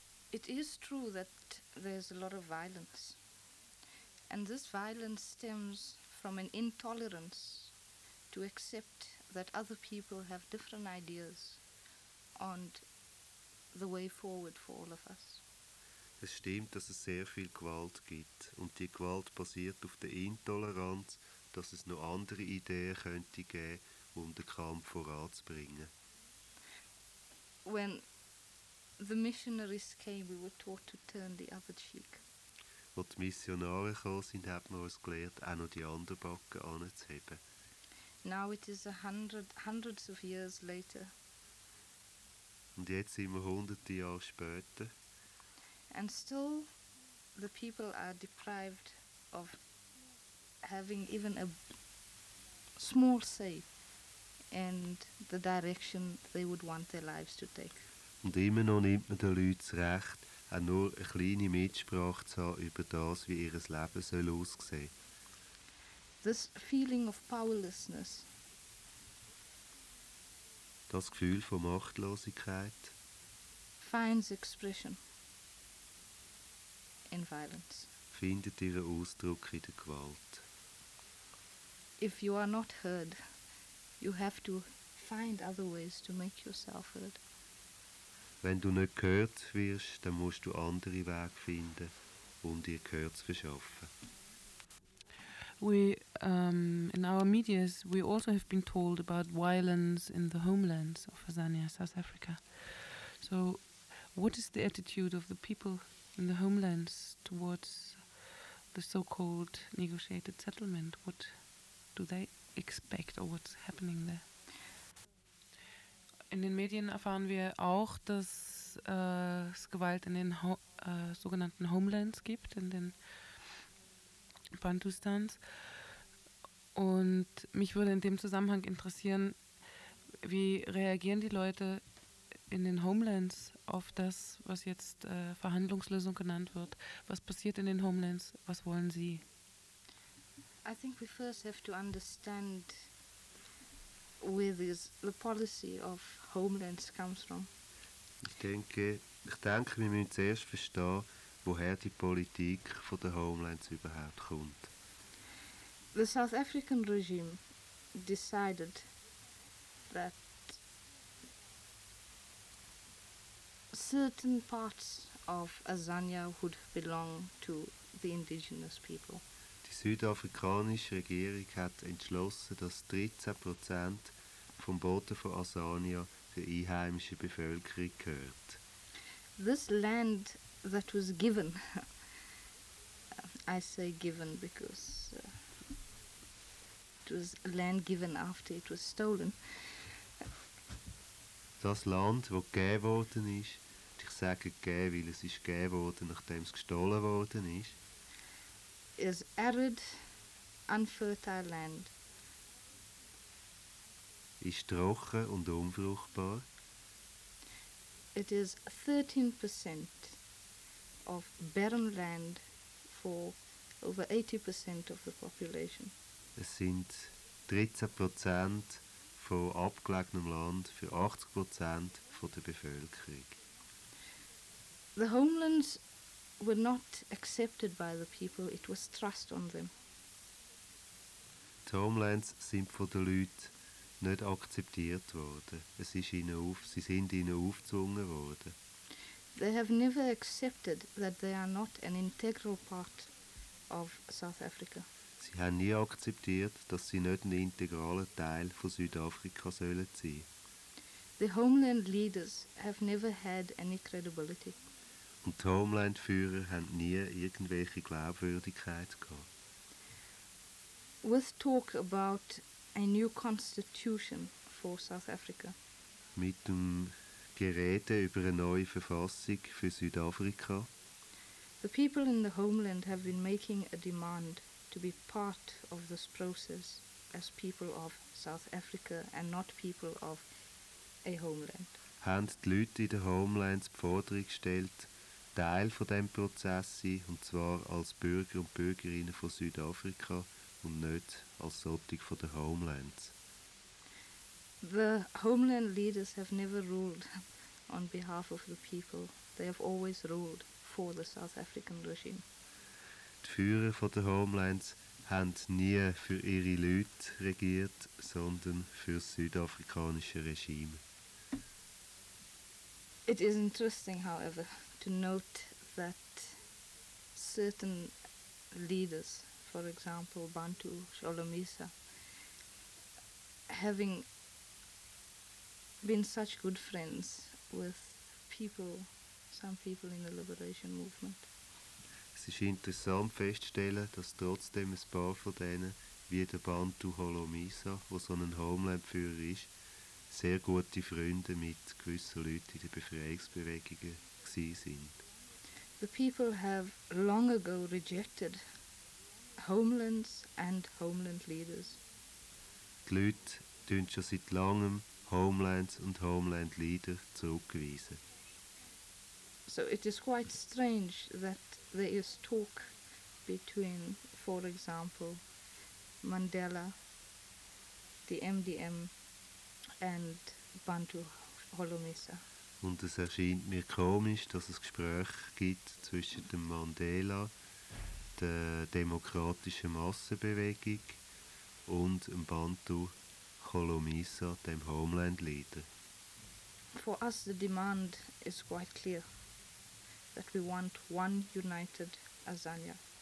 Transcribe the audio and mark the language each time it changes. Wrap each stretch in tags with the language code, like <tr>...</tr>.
<en>It is true that there's a lot of violence, and this violence stems from an intolerance to accept that other people have different ideas on the way forward for all of us.</en> <de>Es stimmt, dass es sehr viel Gewalt gibt, und die Gewalt basiert auf der Intoleranz, dass es noch andere Ideen könnte geben, um den Kampf voranzubringen.</de> <en>When the missionaries came, we were taught to turn the other cheek.</en> <de>Wo die Missionare gekommen sind, hat man uns gelehrt, auch noch die andere Backe anzuheben.</de> <en>Now it is hundreds of years later.</en> <de>Und jetzt sind wir hunderte Jahre später.</de> <en>And still the people are deprived of having even a small say and the direction they would want their lives to take.</en> <de>Und immer noch nimmt man den Leuten das Recht, auch nur eine kleine Mitsprache zu haben über das, wie ihr Leben soll aussehen.</de> <en>This feeling of powerlessness.</en> <de>Das Gefühl von Machtlosigkeit</de> <en>finds expression in violence.</en> <de>Findet ihren Ausdruck in der Gewalt.</de> <en>If you are not heard, you have to find other ways to make yourself heard.</en> <de>Wenn du nicht gehört wirst, dann musst du andere Wege finden, um dir gehört zu verschaffen.</de> <en>In our medias, we also have been told about violence in the homelands of Azania, South Africa. So, what is the attitude of the people in the homelands towards the so-called negotiated settlement? What do they expect or what's happening there?</en> <de>In den Medien erfahren wir auch, dass es Gewalt in den sogenannten Homelands gibt, in den Bantustans. Und mich würde in dem Zusammenhang interessieren, wie reagieren die Leute in den Homelands auf das, was jetzt Verhandlungslösung genannt wird? Was passiert in den Homelands? Was wollen sie?</de> <en>I think we first have to understand where this, the policy of homelands comes from.</en> <de>Ich denke, wir müssen zuerst verstehen, woher die Politik von den Homelands überhaupt kommt.</de> <en>The South African regime decided that certain parts of Azania would belong to the indigenous people.</en> <de>Die südafrikanische Regierung hat entschlossen, dass 13% vom Boden von Azania der einheimischen Bevölkerung gehört.</de> <en>This land that was given, I say given because it was land given after it was stolen.</en> <de>Das Land, das gegeben worden ist, ich sage gegeben, weil es ist gegeben worden, nachdem es gestohlen worden ist,</de> <en>is arid, unfertile land.</en> <de>Ist trocken und unfruchtbar.</de> <en>It is 13% of barren land for over 80% of the population.</en> <de>Es sind 13% von abgelegenem Land für 80% von der Bevölkerung.</de> <en>The homelands were not accepted by the people, it was thrust on them.</en> <de>Die Homelands sind von den Leuten nicht akzeptiert worden. Es ist ihnen auf, sie sind ihnen aufgezwungen worden.</de> <en>They have never accepted that they are not an integral part of South Africa.</en> <de>Sie haben nie akzeptiert, dass sie nicht ein integraler Teil von Südafrika sollen sein.</de> <en>The homeland leaders have never had any credibility.</en> <de>Und die Homeland-Führer haben nie irgendwelche Glaubwürdigkeit gehabt.</de> <en>With talk about a new constitution for South Africa.</en> <de>Mit dem Gerede über eine neue Verfassung für Südafrika.</de> <en>The people in the homeland have been making a demand to be part of this process as people of South Africa and not people of a homeland.</en> <de>Haben die Leute in den Homelands die Forderung gestellt, Teil von dem Prozess zu sein, und zwar als Bürger und Bürgerinnen von Südafrika und nicht als solche von den Homelands?</de> <en>The homeland leaders have never ruled on behalf of the people. They have always ruled for the South African regime.</en> <de>Die Führer von den Homelands haben nie für ihre Leute regiert, sondern für das südafrikanische Regime.</de> <en>It is interesting, however, to note that certain leaders, for example Bantu Sholomisa, having been such good friends with people, some people in the liberation movement.</en> <de>Es ist interessant festzustellen, dass trotzdem ein paar von denen, wie der Bantu Holomisa, der so ein Homeland-Führer ist, sehr gute Freunde mit gewissen Leuten in den Befreiungsbewegungen gewesen sind.</de> <en>The people have long ago rejected homelands and homeland leaders.</en> <de>Die Leute tun schon seit langem Homelands und Homeland Leader zurückgewiesen.</de> <en>So it is quite strange that there is talk between, for example, Mandela, the MDM and Bantu Holomisa.</en> <de>Und es erscheint mir komisch, dass es Gespräche gibt zwischen dem Mandela, der demokratischen Massenbewegung und dem Bantu Holomisa, dem Homeland Leader.</de> <en>For us the demand is quite clear, that we want one united Azania.</en>